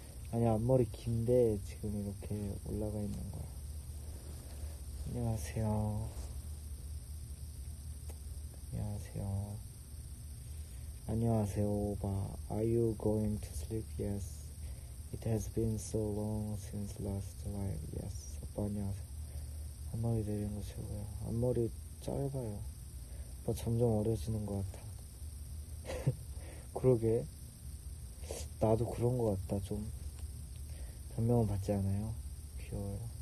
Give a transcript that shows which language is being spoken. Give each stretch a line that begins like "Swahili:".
Korean: 아니, 앞머리 긴데 지금 이렇게 올라가 있는 거야. 안녕하세요. 안녕하세요. 안녕하세요, 오바.
English: Are you going to sleep? Yes. It has been so long since last live.
Korean: Yes. 오빠 안녕하세요. 앞머리 내리는 거 최고야. 앞머리 짧아요. 오빠 점점 어려지는 것 같아. 그러게. 나도 그런 것 같다, 좀. 변명은 받지 않아요? 귀여워요.